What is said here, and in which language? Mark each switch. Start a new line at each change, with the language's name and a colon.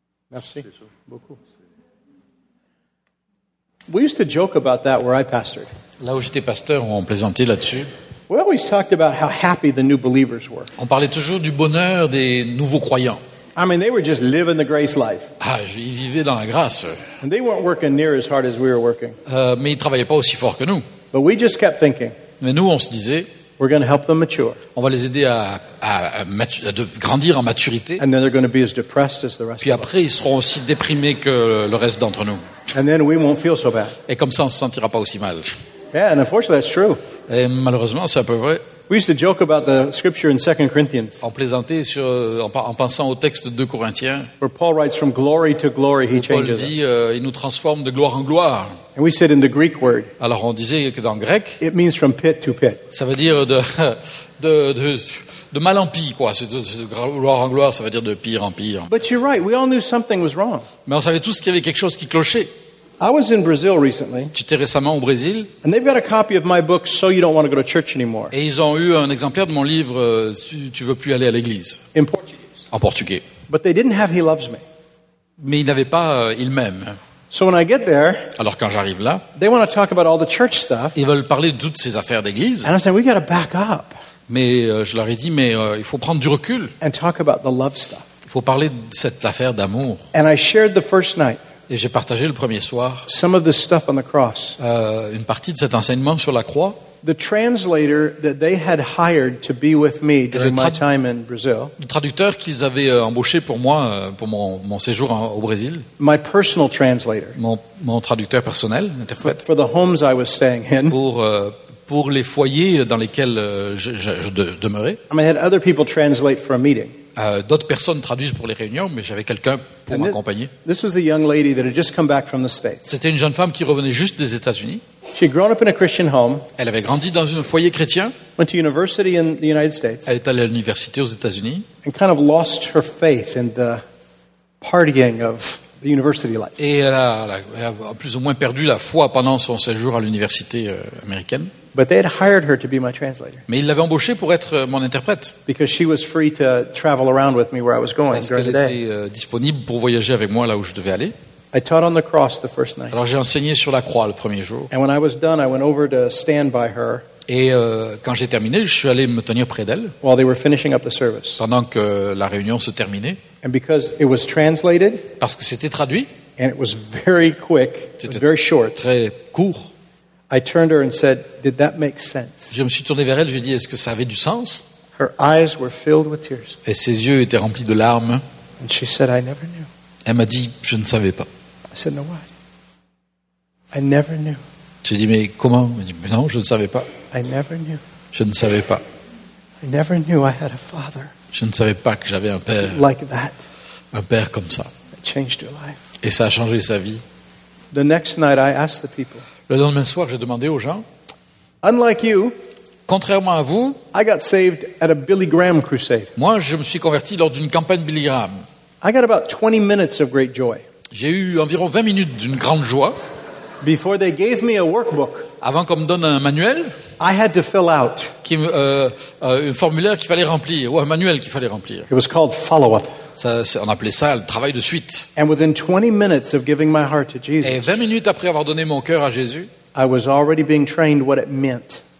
French: Merci beaucoup.
English: We used to joke about that where I pastored.
French: Là où j'étais pasteur, on plaisantait là-dessus.
English: We always talked about how happy the new believers were.
French: On parlait toujours du bonheur des nouveaux croyants.
English: I mean, they were just living the grace life.
French: Ah, ils vivaient dans la grâce.
English: And they weren't working near as hard as we were working.
French: Mais ils travaillaient pas aussi fort que nous.
English: But we just kept thinking.
French: Mais nous, on se disait.
English: We're going to help them mature.
French: On va les aider à grandir en maturité.
English: And then they're going to be as depressed as the rest.
French: Puis après, ils seront aussi déprimés que le reste d'entre nous.
English: And then we won't feel so bad.
French: Et comme ça, on se sentira pas aussi mal.
English: Yeah, and unfortunately, that's true.
French: Et malheureusement, c'est un peu vrai.
English: We used to joke about the scripture in 2 Corinthians.
French: On plaisantait sur en pensant au texte de 2 Corinthiens.
English: Where Paul writes from glory to glory, he changes.
French: Paul dit, il nous transforme de gloire en gloire.
English: And we said in the Greek word.
French: Alors on disait que dans le grec.
English: It means from pit to pit.
French: Ça veut dire de mal en pis quoi. C'est de gloire en gloire, ça veut dire de pire en pire.
English: But you're right. We all knew something was wrong.
French: Mais on savait tous qu'il y avait quelque chose qui clochait.
English: I was in Brazil recently.
French: J'étais récemment au Brésil.
English: And they've got a copy of my book, So You Don't Want to Go to Church Anymore.
French: Et ils ont eu un exemplaire de mon livre, Tu veux plus aller à l'église.
English: In Portuguese.
French: En portugais.
English: But they didn't have He Loves Me.
French: Mais ils n'avaient pas Il m'aime.
English: So when I get there,
French: alors quand j'arrive là,
English: they want to talk about all the church stuff.
French: Ils veulent parler de toutes ces affaires d'église.
English: And I'm saying we got to back up.
French: Mais je leur ai dit, mais il faut prendre du recul.
English: And talk about the love stuff.
French: Il faut parler de cette affaire d'amour.
English: And I shared the first night.
French: Et j'ai partagé le premier soir
English: some of the stuff on the cross.
French: Une partie de cet enseignement sur la croix.
English: The translator that they had hired to be with me during my time in Brazil.
French: Le traducteur qu'ils avaient embauché pour moi pour mon séjour au Brésil.
English: My personal translator.
French: Mon traducteur personnel, interprète.
English: For the homes I was staying in.
French: Pour les foyers dans lesquels je demeurais.
English: I had other people translate for a meeting.
French: D'autres personnes traduisent pour les réunions, mais j'avais quelqu'un pour m'accompagner.
English: This was a young lady that had just come back from the States.
French: C'était une jeune femme qui revenait juste des États-Unis.
English: She had grown up in a Christian home.
French: Elle avait grandi dans un foyer chrétien.
English: Went to university in the United States.
French: Elle est allée à l'université aux États-Unis.
English: And kind of lost her faith in the partying of the university life.
French: Et elle a plus ou moins perdu la foi pendant son séjour à l'université américaine.
English: But they had hired her to be my translator.
French: Mais ils l'avaient embauchée pour être mon interprète.
English: Because she was free to travel around with me where I was going during the day.
French: Parce qu'elle était disponible pour voyager avec moi là où je devais aller.
English: I taught on the cross the first night.
French: Alors j'ai enseigné sur la croix le premier jour.
English: And when I was done, I went over to stand by her.
French: Et quand j'ai terminé, je suis allé me tenir près d'elle.
English: While they were finishing up the service.
French: Pendant que la réunion se terminait.
English: And because it was translated.
French: Parce que c'était traduit.
English: And it was very quick.
French: C'était
English: it was very short.
French: Très court.
English: I turned her and said, "Did that make sense?"
French: Je me suis tourné vers elle, je lui ai dit, "Est-ce que ça avait du sens?"
English: Her eyes were filled with tears.
French: Et ses yeux étaient remplis de larmes.
English: And she said, "I never knew."
French: Elle m'a dit, "Je ne savais pas."
English: I said, "No, why?" I never knew.
French: J'ai dit, "Mais comment?" Elle m'a dit, "Mais non, je ne savais pas."
English: I never knew.
French: Je ne savais pas.
English: I never knew I had a father.
French: Je ne savais pas que j'avais un père.
English: Like that.
French: Un père comme ça.
English: It changed her life.
French: Et ça a changé sa vie.
English: The next night, I asked the people.
French: Le lendemain soir, j'ai demandé aux gens.
English: Unlike you,
French: contrairement à vous,
English: I got saved at a Billy Graham crusade.
French: Moi, je me suis converti lors d'une campagne Billy Graham.
English: I got about 20 minutes of great joy.
French: J'ai eu environ 20 minutes d'une grande joie.
English: Before they gave me a workbook,
French: avant qu'on me donne un manuel,
English: I had to fill out.
French: Un formulaire qu'il fallait remplir, ou un manuel qu'il fallait remplir.
English: It was called follow-up.
French: On appelait ça le travail de suite.
English: And within 20 minutes of giving my heart to Jesus,
French: et 20 minutes après avoir donné mon cœur à Jésus,
English: I was already being trained what it meant,